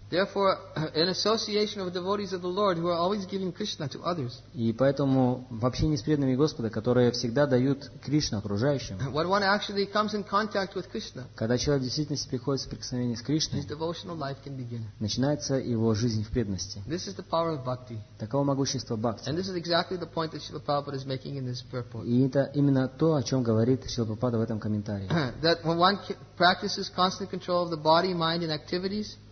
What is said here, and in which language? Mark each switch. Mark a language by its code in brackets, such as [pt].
[en] Therefore, in association with devotees of the Lord who are always giving Krishna to others, [ru] и поэтому в общении с преданными Господа, которые всегда дают Кришну окружающим, [en] when one actually comes in contact with Krishna, [ru] когда человек действительно приходит в соприкосновение с Кришной, [en] his devotional life can begin. [ru] Начинается его жизнь в преданности. [en] This is the power of bhakti. [ru] Таково могущество бхакти. [en] And this is exactly the point that Srila Prabhupada is making in this purport. [ru] И это именно то, о чем говорит Шрила Прабхупада в этом комментарии. [en] That when one practices constant control of the body, mind and activities,